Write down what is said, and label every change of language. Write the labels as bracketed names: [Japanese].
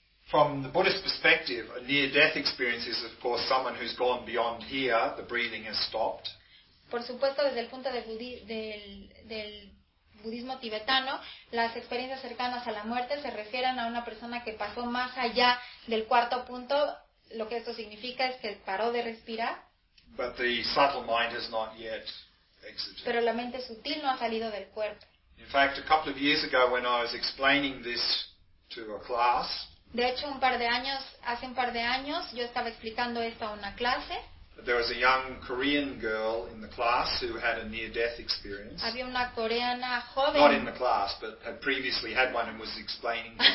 [English] From the Buddhist perspective, a near-death experience is, of course, someone who's gone beyond here, the breathing has stopped. [Spanish] Por supuesto, desde el punto de del budismo tibetano, las experiencias cercanas a la muerte se refieren a una persona que pasó más allá del cuarto punto. Lo que esto significa es que paró de respirar. [English] But the subtle mind has not yet. [Spanish] Pero la mente sutil no ha salido del cuerpo. [English] In fact, a couple of years ago when I was explaining this to a class. [Spanish] De hecho, hace un par de años yo estaba explicando esto a una clase. [English] There was a young Korean girl in the class who had a near death experience. [Spanish] Había una coreana joven. [English] Not in the class, but had previously had one and was explaining.